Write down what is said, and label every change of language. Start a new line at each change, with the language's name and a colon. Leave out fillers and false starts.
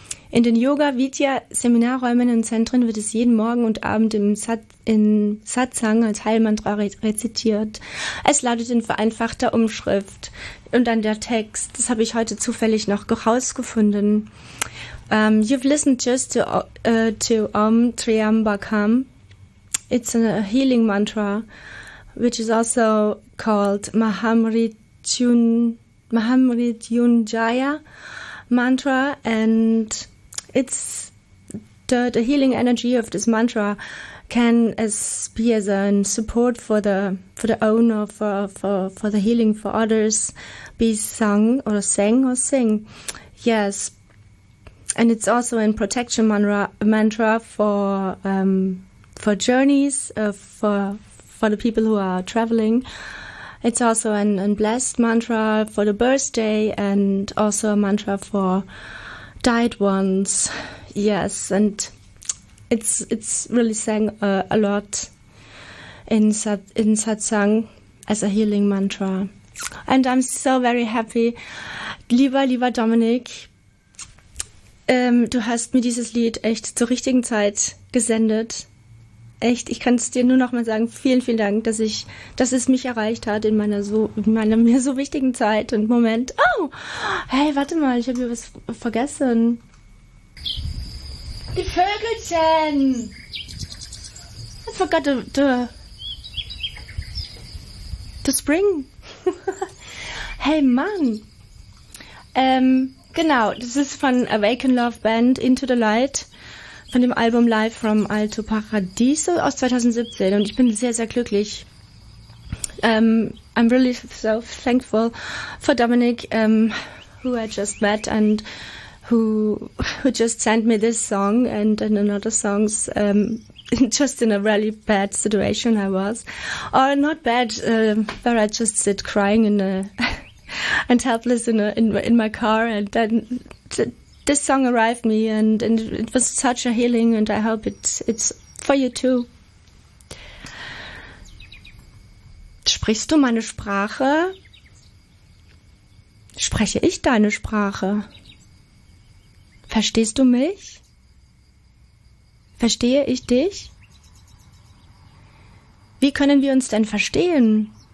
German: In den Yoga Vidya Seminarräumen und Zentren wird es jeden Morgen und Abend in Satsang als Heilmantra rezitiert. Es lautet in vereinfachter Umschrift. Und dann der Text, das habe ich heute zufällig noch herausgefunden.
English: You've listened just to Om Triambakam. It's a healing mantra, which is also called Mahamrityunjaya mantra. And it's the healing energy of this mantra can as be as a support for the owner for the healing for others, be sung or sang or sing, yes, and it's also in protection mantra for journeys for the people who are traveling. It's also an blessed mantra for the birthday and also a mantra for died ones, yes, and it's really saying a lot in satsang as a healing mantra. And I'm so very happy,
German: lieber Dominik, du hast mir dieses Lied echt zur richtigen Zeit gesendet. Echt, ich kann es dir nur noch mal sagen, vielen, vielen Dank, dass es mich erreicht hat in meiner mir so wichtigen Zeit und Moment. Oh, hey, warte mal, ich habe hier was vergessen. Die Vögelchen!
English: I forgot the spring. Hey, Mann!
German: Genau, das ist von Awaken Love Band, Into the Light. Von dem Album Live from Alto Paradiso aus 2017. Und ich bin sehr, sehr glücklich.
English: I'm really so thankful for Dominic, who I just met and who just sent me this song and another songs, just in a really bad situation I was. Or not bad, where I just sit crying and helpless in my car and then... This song arrived me and it was such a healing and I hope it's for you too.
German: Sprichst du meine Sprache? Spreche ich deine Sprache? Verstehst du mich? Verstehe ich dich? Wie können wir uns denn verstehen?